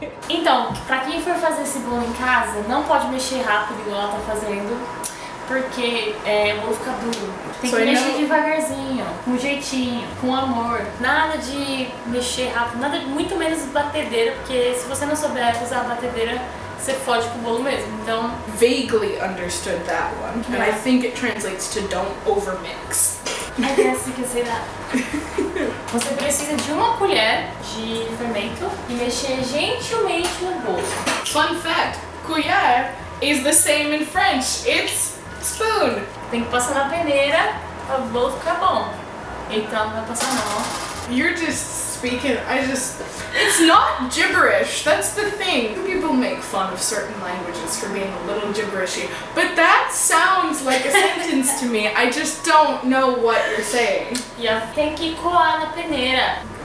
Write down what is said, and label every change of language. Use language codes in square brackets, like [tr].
[pt] Então, pra quem for fazer esse bolo em casa, não pode mexer rápido igual ela tá fazendo, porque o bolo fica duro. Tem que mexer devagarzinho, com jeitinho, com amor. Nada de mexer rápido, nada, muito menos batedeira, porque se você não souber usar a batedeira, você fode com o bolo mesmo. Então, [en] vaguely understood that one. Yeah. And I think it translates to don't overmix. I guess you can say that. [pt] Você precisa de uma colher de fermento e mexer gentilmente no bolo. [en] Fun fact, colher is the same in French. It's spoon. [pt] Tem que passar na peneira pra o bolo ficar bom. Então vai passar mal. [en] You're just speaking, it's not gibberish, that's the thing. People make fun of certain languages for being a little gibberishy, but that sounds like a sentence to me. I just don't know what you're saying. [pt] Yeah, tem que coar na peneira.